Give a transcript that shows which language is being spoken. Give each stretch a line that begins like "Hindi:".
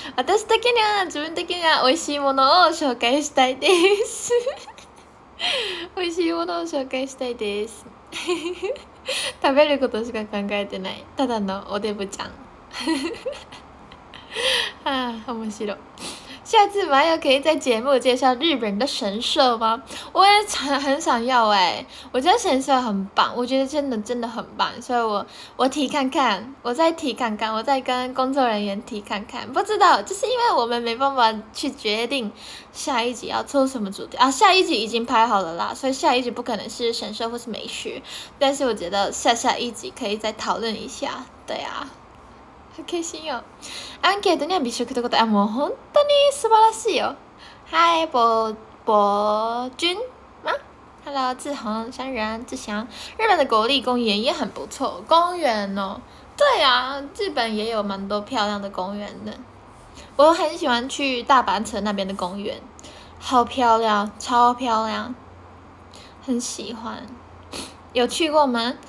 Japanese: 私的には、自分的には美味しいものを紹介したいです美味しいものを紹介したいです食べることしか考えてない、ただのおデブちゃんはあ、面白い。
Chinese: 下次麻友可以在节目介绍日本的神社吗？我也很想要欸，我觉得神社很棒，我觉得真的很棒，所以我提看看，我再提看看，我再跟工作人员提看看，不知道，就是因为我们没办法去决定下一集要出什么主题啊，下一集已经拍好了啦，所以下一集不可能是神社或是美学，但是我觉得下下一集可以再讨论一下，对啊。好开心哟！
Japanese: アンケートには美食ってこと、あ、もう本当に素晴らしいよ。
Chinese: 嗨，博君吗 ？Hello， 志宏、山人、志祥。日本的国立公园也很不错，公园哦。对啊，日本也有蛮多漂亮的公园的。我很喜欢去大阪城那边的公园，好漂亮，超漂亮，很喜欢。有去过吗？